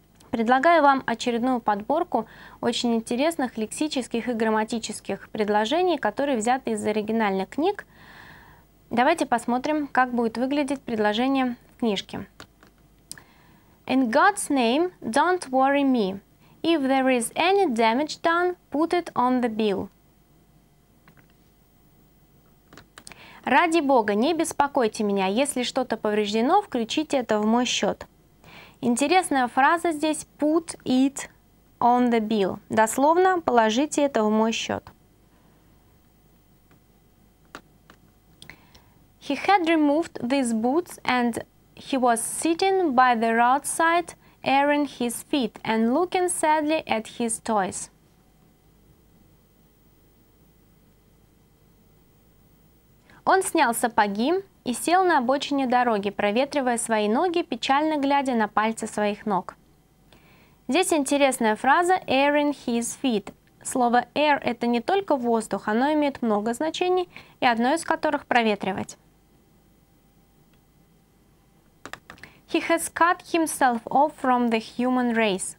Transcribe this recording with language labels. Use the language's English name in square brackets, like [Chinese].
[Russian] Предлагаю вам очередную подборку очень интересных лексических и грамматических предложений, которые взяты из оригинальных книг. Давайте посмотрим, как будет выглядеть предложение в книжке. [English] In God's name, don't worry me. If there is any damage done, put it on the bill. [Russian] Ради Бога, не беспокойте меня. Если что-то повреждено, включите это в мой счет. Интересная фраза здесь [English] put it on the bill. [Russian] Дословно положите это в мой счет. [English] He had removed these boots and he was sitting by the roadside airing his feet and looking sadly at his toys. [Russian] Он снял сапоги и сел на обочине дороги, проветривая свои ноги, печально глядя на пальцы своих ног. Здесь интересная фраза [English] airing his feet. [Russian] Слово air – это не только воздух, оно имеет много значений, и одно из которых – проветривать. [English] He has cut himself off from the human race.